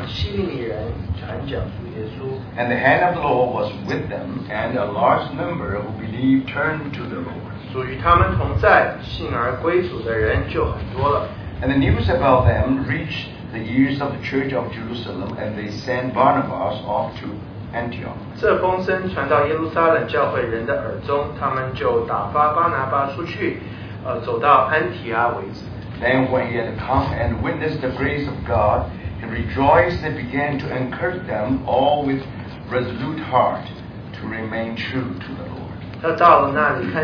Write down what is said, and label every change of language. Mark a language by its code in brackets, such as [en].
[zh] 在内中有居比路和古利奈人，他们到了安提阿，也向希利尼人传讲主耶稣。 [en] And the hand of the Lord was with them, and a large number who believed turned to the Lord. [zh] 主与他们同在，信而归主的人就很多了。 [en] And the news about them reached the ears of the church of Jerusalem, and they sent Barnabas off to Antioch. [zh] 这风声传到耶路撒冷教会人的耳中，他们就打发巴拿巴出去，走到安提阿为止。 [en] Then when he had come and witnessed the grace of God, he rejoiced and began to encourage them all with resolute heart to remain true to the Lord.